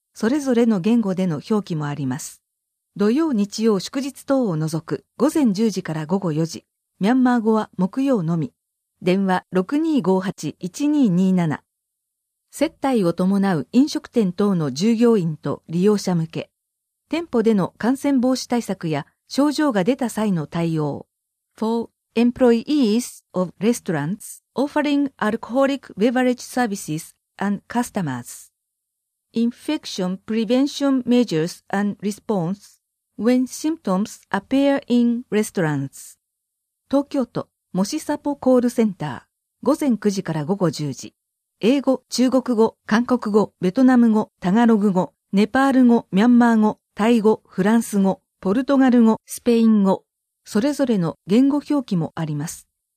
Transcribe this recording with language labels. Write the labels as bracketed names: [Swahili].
[Japanese] それぞれの言語での表記もあります。土曜日曜祝日等を除く午前10時から午後4時。ミャンマー語は木曜のみ。電話 6258-1227。接待を伴う飲食店等の従業員と利用者向け、店舗での感染防止対策や症状が出た際の対応。 [English] For employees of restaurants offering alcoholic beverage services and customers. Infection prevention measures and response when symptoms appear in restaurants. [Japanese] 東京都もしさぽコールセンター。午前9時から午後10時。英語、中国語、韓国語、ベトナム語、タガログ語、ネパール語、ミャンマー語、タイ語、フランス語、ポルトガル語、スペイン語、それぞれの言語表記もあります。